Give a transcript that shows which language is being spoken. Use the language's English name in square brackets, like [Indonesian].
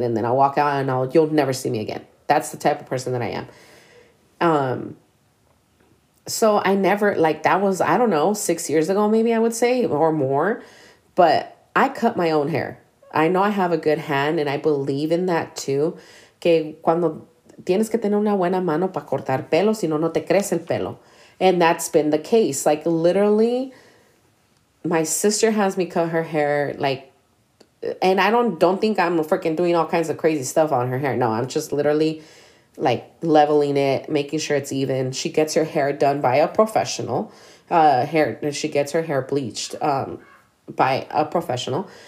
[English] And then I'll walk out and you'll never see me again. That's the type of person that I am. So I never, like, that was, I don't know, 6 years ago, maybe I would say, or more. But I cut my own hair. I know I have a good hand and I believe in that too. [Spanish] Que cuando tienes que tener una buena mano para cortar pelo, si no, no te crece el pelo. [English] And that's been the case. Like, literally, my sister has me cut her hair, like, and I don't think I'm freaking doing all kinds of crazy stuff on her hair. No, I'm just literally like leveling it, making sure it's even. She gets her hair done by a professional. She gets her hair bleached by a professional.